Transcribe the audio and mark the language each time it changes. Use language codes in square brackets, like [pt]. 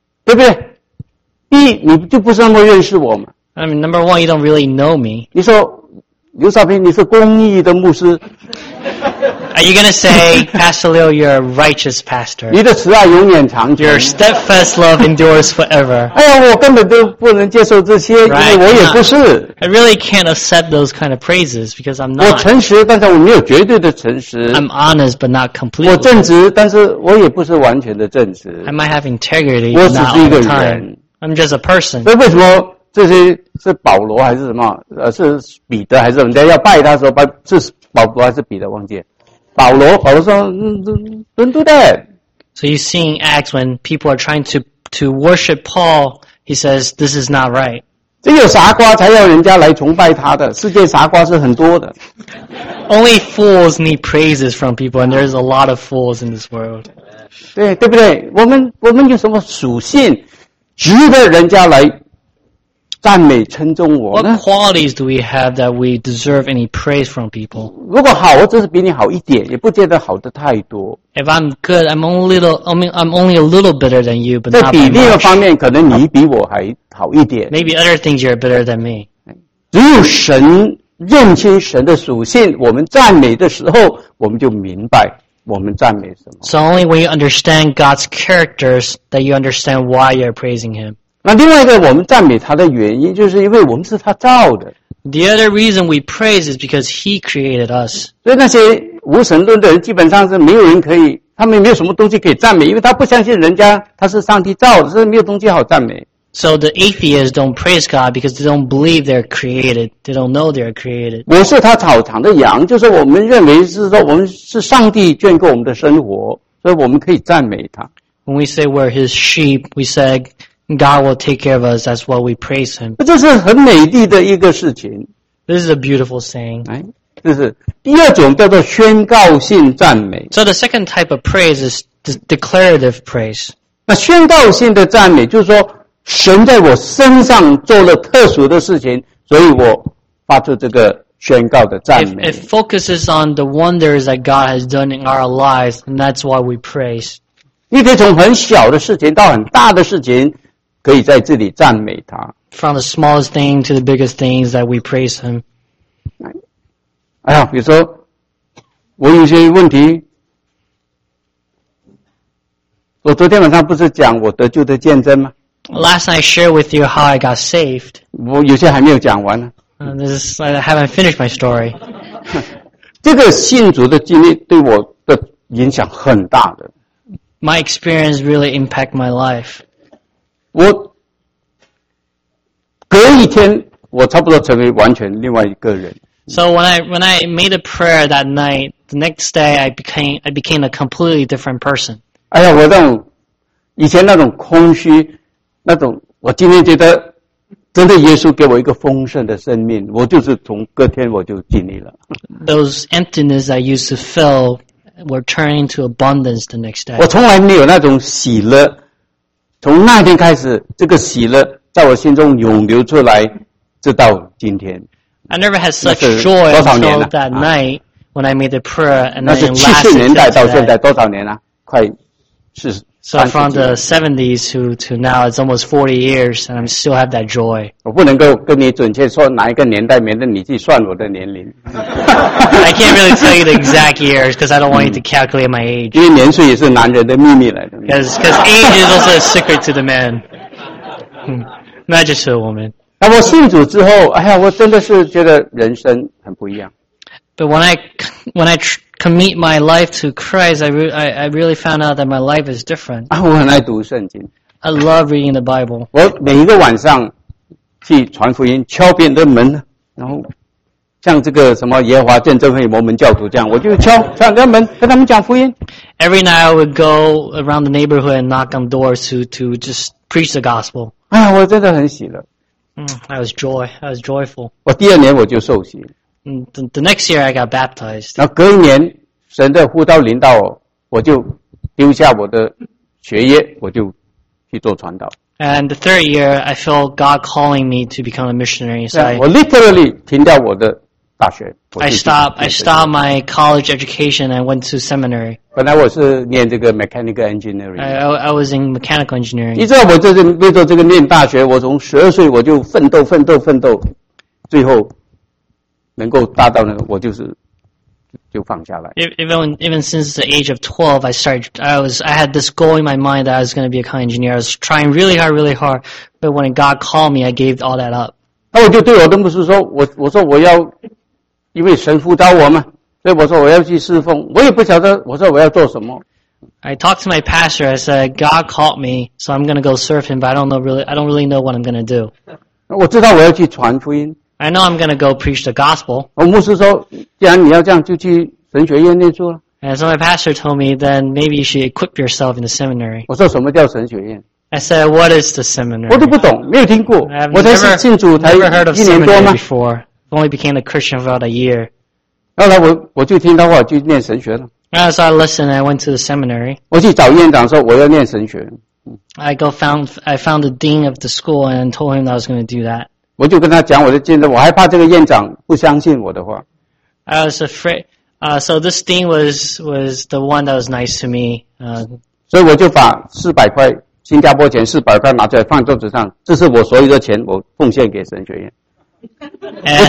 [zh] 对不对？第一，你就不是那么认识我嘛。 [en] I mean, number one, you don't really know me. [zh] 你说刘少平，你是公义的牧师。 [en] Are you going to say, Pastor Leo, you're a righteous pastor? [zh] 你的慈爱永远长久。 [en] Your steadfast love endures forever. [zh] 哎呀，我根本都不能接受这些， [en] right? [zh] 因为我也不是。 [en] I really can't accept those kind of praises because I'm not. [zh] 我诚实，但是我没有绝对的诚实。 [en] I'm honest, but not completely. [zh] 我正直，但是我也不是完全的正直。 [en] I might have integrity, but not all the time. I'm just a person. [zh] 所以为什么这些是保罗还是什么？是彼得还是人家要拜他的时候，是保罗还是彼得忘记？保罗，保罗说 ， [en] Don't do that. So you see in Acts when people are trying to worship Paul, he says this is not right. [zh] 只有傻瓜才要人家来崇拜他的，世界傻瓜是很多的。 [en] Only fools need praises from people, and there's a lot of fools in this world. [zh] 对，对不对？我们有什么属性，值得人家来赞美称重我呢？ [en] What qualities do we have that we deserve any praise from people? [zh] 如果好，我只是比你好一点，也不见得好的太多。 [en] If I'm good, I'm only a little better than you, but not by much. [zh] 在比例方面，可能你比我还好一点。 [en] Maybe other things you're better than me. [zh] 只有神认清神的属性，我们赞美的时候，我们就明白我们赞美什么。 [en] So only when you understand God's characters that you understand why you're praising Him. [zh] 那另外一个我们赞美他的原因就是因为我们是他造的。 [en] The other reason we praise is because he created us. [zh] 所以那些无神论的人基本上是没有人可以，他们没有什么东西可以赞美，因为他不相信人家他是上帝造的，所以没有东西好赞美。 [en] So the atheists don't praise God because they don't believe they're created. They don't know they're created. [zh] 我是他草场的羊，就是我们认为是说我们是上帝眷顾我们的生活，所以我们可以赞美他。 [en] When we say we're his sheep, we say,God will take care of us, that's why we praise Him. [zh] 这是很美丽的一个事情。 [en] This is a beautiful saying. [zh] 这是第二种叫做宣告性赞美。 [en] So the second type of praise is declarative praise. [zh] 那宣告性的赞美就是说神在我身上做了特殊的事情，所以我发出这个宣告的赞美。 [en] It focuses on the wonders that God has done in our lives, and that's why we praise. [zh] 你可以从很小的事情到很大的事情可以在这里赞美他。 [en] From the smallest thing to the biggest things that we praise him. [zh] 哎呀，比如说，我有些问题，我昨天晚上不是讲我得救的见证吗？ [en] Last night I shared with you how I got saved. [zh] 我有些还没有讲完呢。 [en] I haven't finished my story. [zh] 这个信主的经历对我的影响很大的。 [en] My experience really impacted my life. [zh] 我隔一天，我差不多成为完全另外一个人。 [en] So when I made a prayer that night, the next day I became a completely different person. [zh] 哎呀，我那种以前那种空虚，那种我今天觉得真的耶稣给我一个丰盛的生命，我就是从隔天我就经历了。 [en] Those emptiness I used to fill were turning to abundance the next day. [zh] 我从来没有那种喜乐。从那天开始，这个喜乐在我心中涌流出来，直到今天。 [en] I never had such joy until that night when I made the prayer, and then lasted to that. [zh] 那是70年代到现在多少年了、啊？快是。 [en] So from the 70s to now, it's almost 40 years, and I still have that joy. [zh] 我不能够跟你准确说哪一个年代，免得你去算我的年龄。 [en] I can't really tell you the exact years because I don't want you to calculate my age. [zh] 因为年岁也是男人的秘密来的。 [en] Because age is also a secret to the man, not just to the woman. [zh] 那我信主之后，哎呀，我真的是觉得人生很不一样。 [en] But when I commit my life to Christ, I really found out that my life is different. [zh] 啊，我很爱读圣经。 [en] I love reading the Bible. [zh] 我每一个晚上去传福音，敲别人的门，然后。像这个什么耶和华见证会摩门教徒这样，我就敲他们跟他们讲福音。 [en] Every night I would go around the neighborhood and knock on doors to just preach the gospel. [zh] 哎呀，我真的很喜乐。 [en] I was joyful. [zh] 我第二年我就受洗。 [en] The next year I got baptized. [zh] 然后隔一年，神的呼召临到我，我就丢下我的学业，我就去做传道。 [en] And the third year, I felt God calling me to become a missionary. So [zh] yeah, 我 literally 停掉我的大学。 [en] I stopped my college education and went to seminary. [zh] 本来我是念这个 mechanical engineering. [en] I was in mechanical engineering. [zh] 你知道我这是为了这个念大学，我从十二岁我就奋斗，最后能够达到那个，我就是。就放下来。 [en] Even since the age of 12, I had this goal in my mind that I was going to be a kind of engineer. I was trying really hard, but when God called me, I gave all that up. [zh] 那我就对我的牧师说，我说我要，因为神呼召我嘛，所以我说我要去侍奉。我也不晓得，我说我要做什么。 [en] I talked to my pastor. I said God called me, so I'm going to go serve Him, but I don't really know what I'm going to do. [zh] 我知道我要去传福音。 [en] I know I'm going to go preach the gospel. [zh] 牧师说，既然你要这样，就去神学院念书了。 [en] And so my pastor told me, then maybe you should equip yourself in the seminary. [zh] 我说什么叫神学院？ [en] I said, what is the seminary? [zh] 我都不懂, 没有听过, [en] I've never heard of seminary before. I've only became a Christian for about a year. [zh] 后来我就听到话, [en] so I listened and I went to the seminary. [zh] 我去找院长说我要念神学。 [en] I found the dean of the school and told him that I was going to do that. [zh] 我就跟他讲我的见证, 我害怕这个院长不相信我的话。 [en] I was afraid. So this dean was the one that was nice to me. [zh] 所以我就把400块 新加坡钱400块拿出来放在桌子上，这是我所有的钱，我奉献给神学院。